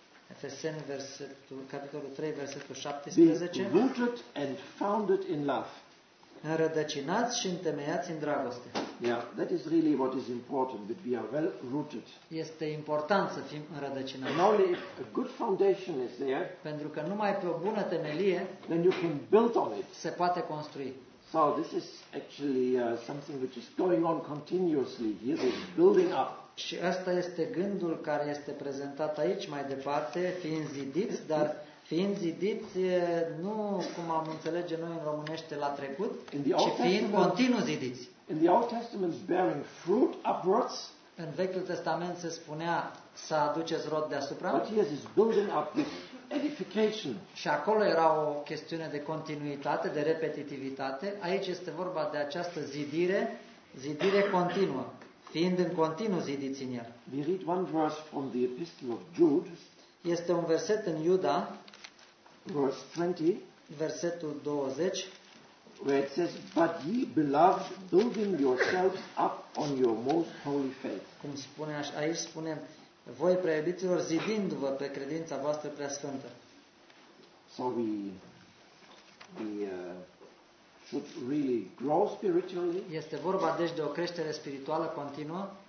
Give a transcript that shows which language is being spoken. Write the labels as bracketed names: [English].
[Romanian] Efeseni versetul capitolul 3 versetul 17. [English] Be rooted and founded in love. [Romanian] Înrădăcinați și întemeiați în dragoste. [English] Yeah, that is really what is important, that we are well rooted. [Romanian] Este important să fim înrădăcinați. [English] And only if a good foundation is there, [Romanian] pentru că numai pe o bună temelie, [English] then you can build on it. [Romanian] Se poate construi. [English] So this is actually something which is going on continuously. Here is building up. [Romanian] Și asta este gândul care este prezentat aici mai departe, fiind zidiți, dar fiind zidiți nu cum am înțelege noi în românește la trecut, ci fiind continuu zidiți. [English] In the Old Testament bearing fruit upwards. [Romanian] În Vechiul Testament se spunea să aduceți rod deasupra. [English] But here is building up this edification. [Romanian] Și acolo era o chestiune de continuitate, de repetitivitate. Aici este vorba de această zidire, zidire continuă, fiind în continuu zidiți în el. [English] We read one verse from the Epistle of Jude. [Romanian] Este un verset în Iuda, [English] verse 20, [Romanian] versetul 20, [English] where it says, but ye beloved, building yourselves up on your most holy faith. [Romanian] Cum spune așa, aici spune, voi preiubiților, zidindu-vă pe credința voastră prea sfântă. [English] So we should really grow spiritually. [Romanian] Este vorba deci de o creștere spirituală continuă.